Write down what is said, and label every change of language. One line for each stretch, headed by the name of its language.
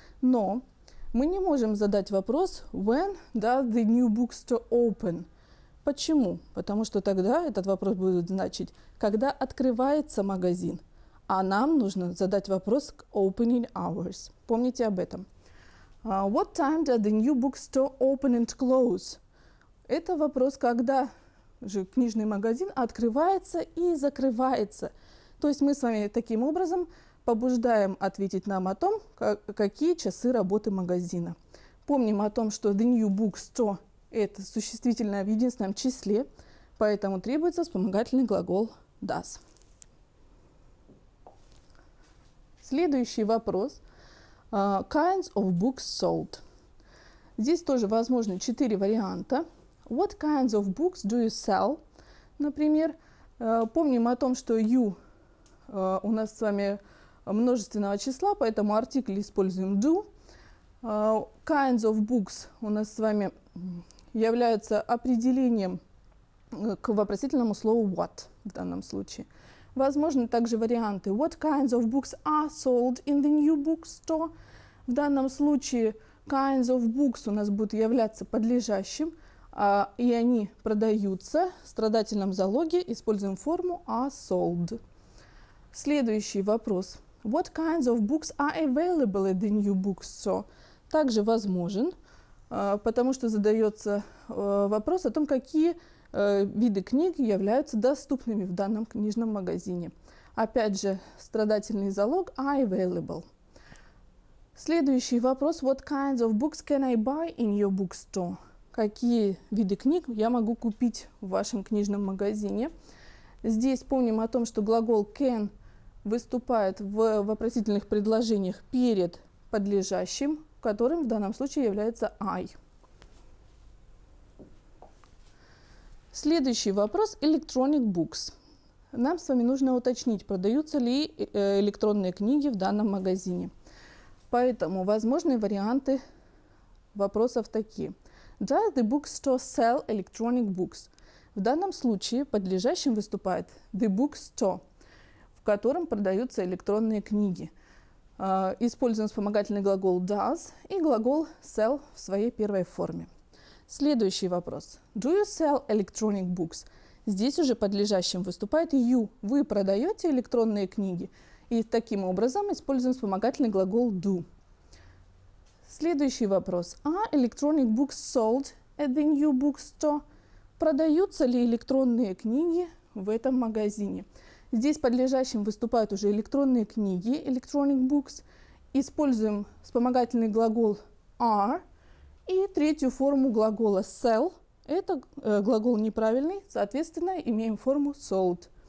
Russian: Но мы не можем задать вопрос,
English: when does the new bookstore open?
Russian: Почему? Потому что тогда этот вопрос будет значить, когда открывается магазин, а нам нужно задать вопрос к
English: opening hours.
Russian: Помните об этом.
English: What time does the new bookstore open and close?
Russian: Это вопрос, когда же книжный магазин открывается и закрывается. То есть мы с вами таким образом побуждаем ответить нам о том, какие часы работы магазина. Помним о том, что
English: the new bookstore
Russian: – это существительное в единственном числе, поэтому требуется вспомогательный глагол does. Следующий вопрос.
English: Kinds of books sold.
Russian: Здесь тоже возможны 4 варианта.
English: What kinds of books do you sell?
Russian: Например, помним о том, что you у нас с вами множественного числа, поэтому артикль используем do.
English: Kinds of books
Russian: у нас с вами являются определением к вопросительному слову what в данном случае. Возможны также варианты.
English: What kinds of books are sold in the new bookstore?
Russian: В данном случае
English: kinds of books
Russian: у нас будут являться подлежащим. И они продаются в страдательном залоге, используем форму
English: are sold.
Russian: Следующий вопрос.
English: What kinds of books are available at the new bookstore?
Russian: Также возможен, потому что задается вопрос о том, какие виды книг являются доступными в данном книжном магазине. Опять же, страдательный залог
English: are available.
Russian: Следующий вопрос.
English: What kinds of books can I buy in your bookstore?
Russian: Какие виды книг я могу купить в вашем книжном магазине. Здесь помним о том, что глагол can выступает в вопросительных предложениях перед подлежащим, которым в данном случае является I. Следующий вопрос –
English: electronic books.
Russian: Нам с вами нужно уточнить, продаются ли электронные книги в данном магазине. Поэтому возможные варианты вопросов такие.
English: Does the bookstore sell electronic books?
Russian: В данном случае подлежащим выступает
English: the bookstore,
Russian: в котором продаются электронные книги. Используем вспомогательный глагол does и глагол sell в своей первой форме. Следующий вопрос.
English: Do you sell electronic books?
Russian: Здесь уже подлежащим выступает you. Вы продаете электронные книги. И таким образом используем вспомогательный глагол do. Следующий вопрос.
English: Are electronic books sold at the new bookstore?
Russian: Продаются ли электронные книги в этом магазине? Здесь подлежащим выступают уже электронные книги,
English: electronic books.
Russian: Используем вспомогательный глагол are и третью форму глагола sell. Это глагол неправильный, соответственно, имеем форму sold.